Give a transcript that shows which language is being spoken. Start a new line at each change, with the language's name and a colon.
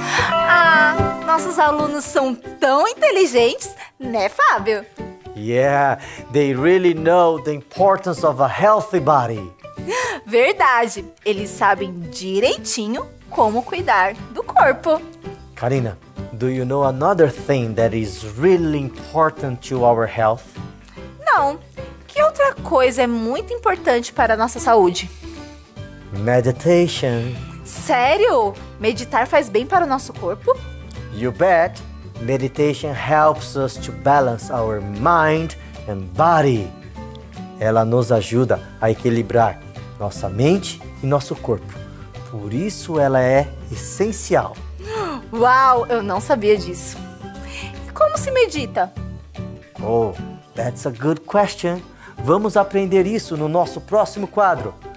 Portuguese: Ah, nossos alunos são tão inteligentes, né, Fábio?
English: Yeah, they really know the importance of a healthy body.
Portuguese: Verdade, eles sabem direitinho como cuidar do corpo.
English: Karina, do you know another thing that is really important to our health?
Portuguese: Não, que outra coisa é muito importante para a nossa saúde?
English: Meditation.
Portuguese: Sério? Meditar faz bem para o nosso corpo?
English: You bet. Meditation helps us to balance our mind and body.
Portuguese: Ela nos ajuda a equilibrar nossa mente e nosso corpo. Por isso ela é essencial. Uau, eu não sabia disso. Como se medita?
English: Oh, that's a good question.
Portuguese: Vamos aprender isso no nosso próximo quadro.